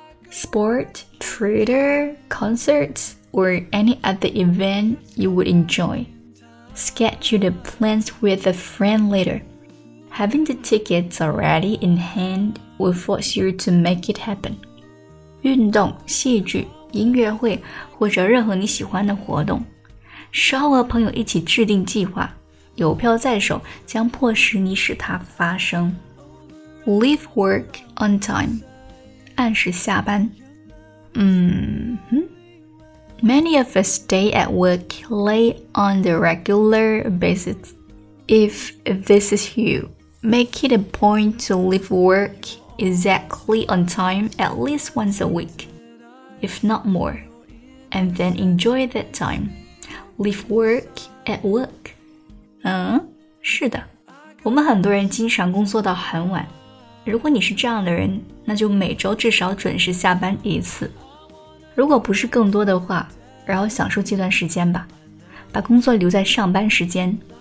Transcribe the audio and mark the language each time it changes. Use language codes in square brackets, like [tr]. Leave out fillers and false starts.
[en] Sport, theater, concertsOr any other event you would enjoy. Schedule the plans with a friend later. Having the tickets already in hand will force you to make it happen. [zh] 运动、戏剧、音乐会或者任何你喜欢的活动，稍和朋友一起制定计划，有票在手将迫使你使它发生。 [en] Leave work on time. [zh] 按时下班。 [en] Many of us stay at work late on a regular basis. If this is you, make it a point to leave work exactly on time at least once a week, if not more, and then enjoy that time. Leave work at work. [zh] 是的，我们很多人经常工作到很晚。如果你是这样的人，那就每周至少准时下班一次。如果不是更多的话，然后享受这段时间吧，把工作留在上班时间。